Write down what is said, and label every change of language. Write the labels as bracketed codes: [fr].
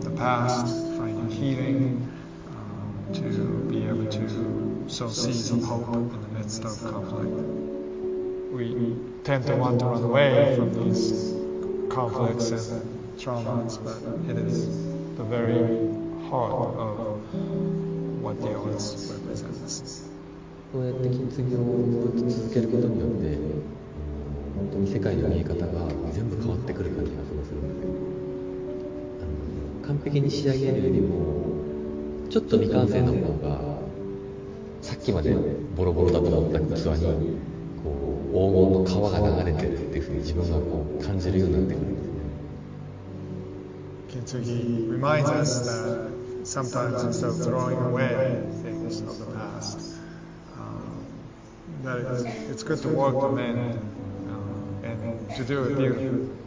[en] The past, finding healing, to be able to sow seeds of hope in the midst of conflict. We tend to want to run away from these conflicts and traumas, but it is the very heart of what the arts represents. How do you do this? [ja] 続けることによって本当に世界の見え方が全部変わってくる感じがすごくするので、完璧に仕上げるよりもちょっと未完成の方が、さっきまでボロボロだと思った器にこう黄金の川が流れてるっていうふうに自分がこう感じるようになってくるんですね。 [en] Kintsugi reminds us that sometimes instead of throwing away things of the past, that it's good to work them in and to do it beautifully.